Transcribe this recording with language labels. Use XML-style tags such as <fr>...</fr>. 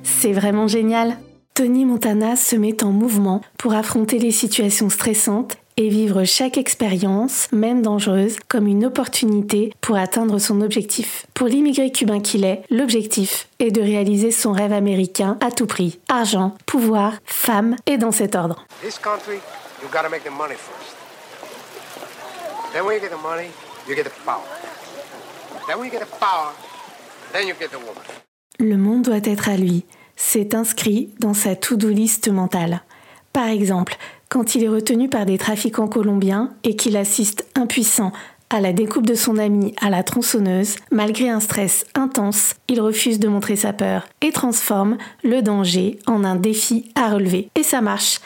<fr>C'est vraiment génial. Tony Montana se met en mouvement pour affronter les situations stressantes et vivre chaque expérience, même dangereuse, comme une opportunité pour atteindre son objectif. Pour l'immigré cubain qu'il est, l'objectif est de réaliser son rêve américain à tout prix. Argent, pouvoir, femme et dans cet ordre.</fr> <en>This country, you gotta make the money first. Then when you get the money, you get the power. Then when you get the power, then you get the woman.</en> <fr>Le monde doit être à lui. C'est inscrit dans sa to-do list mentale. Par exemple, quand il est retenu par des trafiquants colombiens et qu'il assiste impuissant à la découpe de son ami à la tronçonneuse, malgré un stress intense, il refuse de montrer sa peur et transforme le danger en un défi à relever. Et ça marche.</fr>